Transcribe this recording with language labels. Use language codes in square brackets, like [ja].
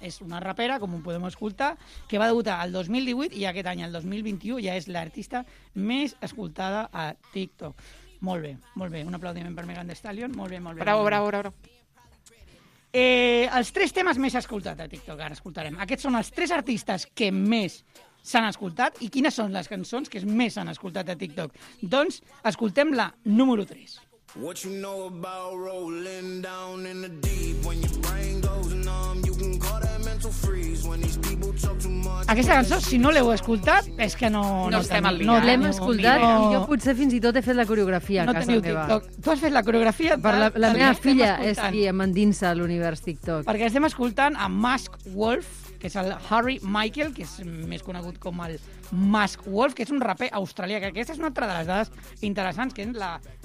[ca] És una rapera, com ho podem escoltar, que va debutar el 2018 i aquest any, el 2021, ja és l'artista més escoltada a TikTok. Molt bé, molt bé. Un aplaudiment per Megan Thee Stallion. Molt bé, molt bé. Bravo, bravo, bravo. Els tres temes més escoltats a TikTok, ara escoltarem. Aquests són els tres artistes que més s'han escoltat i quines són les cançons que més s'han escoltat a TikTok. Doncs escoltem la número 3. [en] What you know about rolling down in the deep when your brain goes numb, you can call that mental freeze when these people talk too much. [ca] Aquesta cançó, si no l'heu escoltat, és que no estem al dia. No l'hem escoltat, jo potser fins i tot he fet la coreografia no a casa meva. TikTok. Tu has fet la coreografia? Per la meva filla és qui em endinsa a l'univers TikTok. Perquè estem escoltant a Mask Wolf, que és el Harry Michael, que és més conegut com el Mask Wolf, que és un raper australià, que aquesta és una altra de les dades interessants, que és la...